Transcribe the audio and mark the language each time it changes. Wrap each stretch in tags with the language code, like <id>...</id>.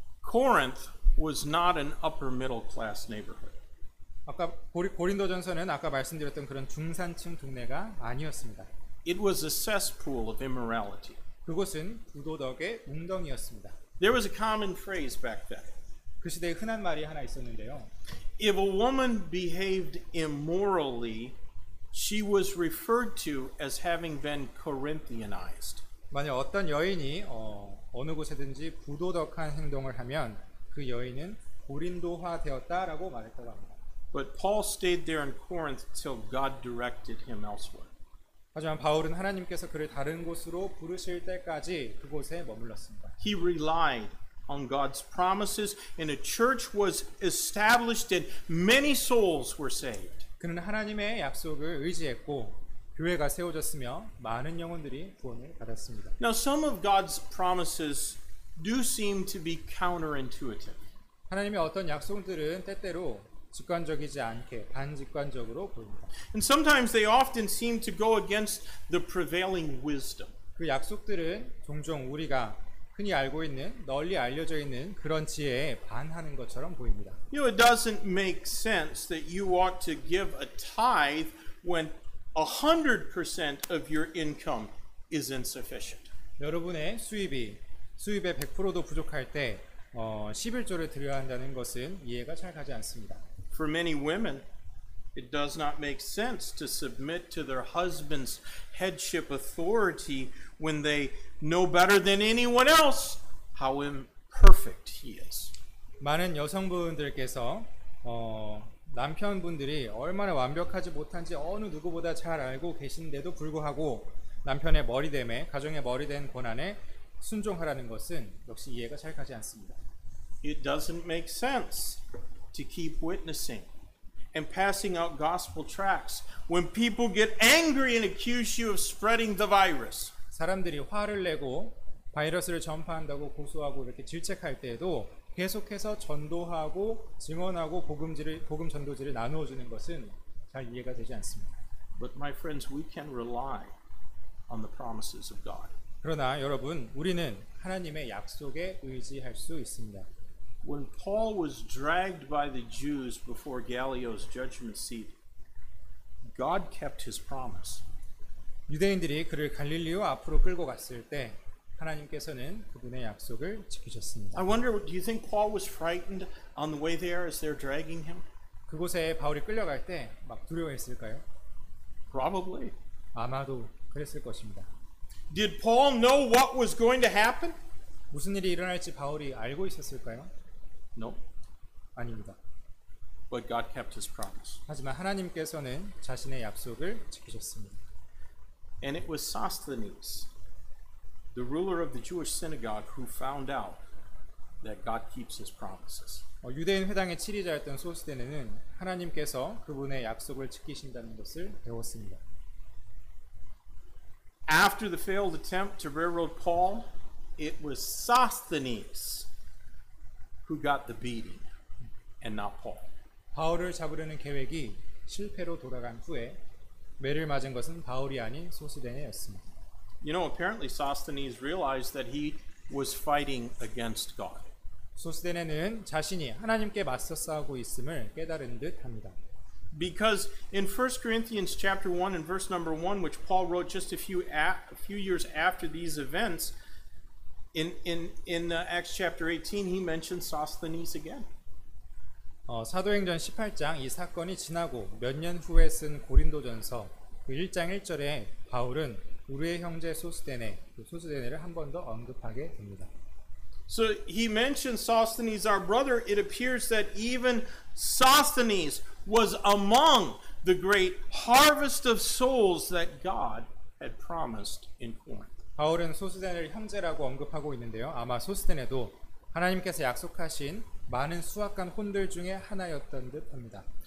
<en>Corinth was not an upper middle class neighborhood.</en> <ko>아까 고린도전서는 아까 말씀드렸던 그런 중산층 동네가 아니었습니다.</ko> <en>It was a cesspool of immorality.</en> <ko>그곳은 부도덕의 웅덩이였습니다.</ko> <en>There was a common phrase back then.</en> <ko>그 시대에 흔한 말이 하나 있었는데요.</ko> <en>If a woman behaved immorally, she was referred to as having been Corinthianized.</en> <ko>만약 어떤 여인이 어느 곳에든지 부도덕한 행동을 하면 그 여인은 고린도화 되었다라고 말했다고 합니다.</ko> <en>But Paul stayed there in Corinth till God directed him elsewhere.</en> <ko>하지만 바울은 하나님께서 그를 다른 곳으로 부르실 때까지 그곳에 머물렀습니다.</ko> <en>He relied on God's promises, and a church was established, and many souls were saved.</en> <ko>그는 하나님의 약속을 의지했고 교회가 세워졌으며 많은 영혼들이 구원을 받았습니다.</ko> <en>Now some of God's promises do seem to be counterintuitive.</en> <ko>하나님의 어떤 약속들은 때때로 직관적이지 않게 반직관적으로 보입니다.</ko> <en>And sometimes they often seem to go against the prevailing wisdom.</en> <ko>그 약속들은 종종 우리가 흔히 알고 있는 널리 알려져 있는 그런 지혜에 반하는 것처럼 보입니다.</ko> <en>You know, it doesn't make sense that you ought to give a tithe when 100% of your income is insufficient.</en> <ko>여러분의 수입의 100%도 부족할 때 십일조를 드려야 한다는 것은 이해가 잘 가지 않습니다.</ko> <en>For many women, it does not make sense to submit to their husband's headship authority when they know better than anyone else how imperfect he is.</en> <ko>많은 여성분들께서 남편분들이 얼마나 완벽하지 못한지 어느 누구보다 잘 알고 계신데도 불구하고 남편의 머리됨에 가정의 머리된 권한에 순종하라는 것은 역시 이해가 잘 가지 않습니다.</ko> <en>It doesn't make sense to keep witnessing and passing out gospel tracts when people get angry and accuse you of spreading the virus.</en> <ko>사람들이 화를 내고 바이러스를 전파한다고 고소하고 이렇게 질책할 때에도 계속해서 전도하고 증언하고 복음 전도지를 나누어 주는 것은 잘 이해가 되지 않습니다.</ko> <en>But my friends, we can rely on the promises of God.</en> <ko>그러나 여러분, 우리는 하나님의 약속에 의지할 수 있습니다.</ko> <en>When Paul was dragged by the Jews before Gallio's judgment seat, God kept his promise.</en> <ko>유대인들이 그를 갈릴리오 앞으로 끌고 갔을 때 하나님께서는 그분의 약속을 지키셨습니다.</ko> <en>I wonder, do you think Paul was frightened on the way there as they're dragging him?</en> <ko>그곳에 바울이 끌려갈 때 막 두려워했을까요?</ko> <en>Probably.</en> <ko>아마도 그랬을 것입니다.</ko> <en>Did Paul know what was going to happen?</en> <ko>무슨 일이 일어날지 바울이 알고 있었을까요?</ko> <en>No.</en> <ko>아닙니다.</ko> <en>But God kept his promise.</en> <ko>하지만 하나님께서는 자신의 약속을 지키셨습니다.</ko> <en>And it was Sosthenes, the ruler of the Jewish synagogue, who found out that God keeps his promises.</en> <ko>유대인 회당의 치리자였던 소스데네는 하나님께서 그분의 약속을 지키신다는 것을 배웠습니다.</ko> <en>After the failed attempt to railroad Paul, it was Sosthenes who got the beating and not Paul.</en> <ko>바울을 잡으려는 계획이 실패로 돌아간 후에 매를 맞은 것은 바울이 아닌 소스데네였습니다.</ko> <en>You know, apparently Sosthenes realized that he was fighting against God.</en> <ko>소스데네는 자신이 하나님께 맞서 싸우고 있음을 깨달은 듯합니다.</ko> <en>Because in 1 Corinthians chapter 1 and verse number 1, which Paul wrote just a few years after these events, in Acts chapter 18, he mentions Sosthenes again.</en> <ko>사도행전 18장 이 사건이 지나고 몇 년 후에 쓴 고린도전서 그 1장 1절에 바울은 우리의 형제 소스데네, 그 소스데네를 한 번 더 언급하게 됩니다.</ko> <en>So he mentioned Sosthenes, our brother. It appears that even Sosthenes was among the great harvest of souls that God had promised in Corinth.</en> <ko>바울은 소스데네를 형제라고 언급하고 있는데요. 아마 소스데네도 하나님께서 약속하신 많은 수확한 혼들 중에 하나였던 듯합니다.</ko>